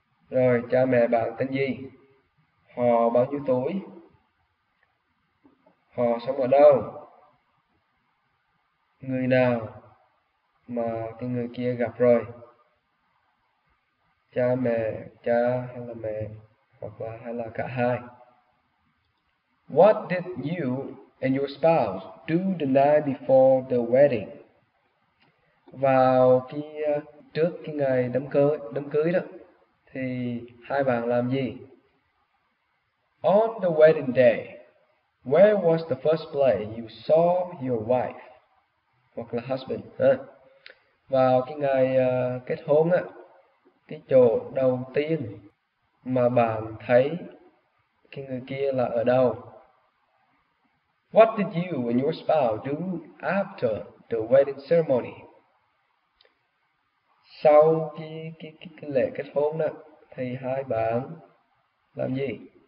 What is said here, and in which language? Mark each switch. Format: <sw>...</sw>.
<vi>Rồi, cha mẹ bạn tên gì? Họ bao nhiêu tuổi? Họ sống ở đâu? Người nào mà cái người kia gặp rồi? Cha mẹ, cha hay là mẹ, hoặc là hay là cả hai?</vi> <en>What did you and your spouse do the night before the wedding?</en> <vi>Vào trước cái ngày đám cưới đó thì hai bạn làm gì?</vi> <en>On the wedding day, where was the first place you saw your wife</en> <vi>hoặc là</vi> <en>husband?</en> <vi>Vào cái ngày kết hôn á, cái chỗ đầu tiên mà bạn thấy cái người kia là ở đâu?</vi> <en>What did you and your spouse do after the wedding ceremony?</en> <vi>Sau cái lễ kết hôn đó, thì hai bạn làm gì?</vi>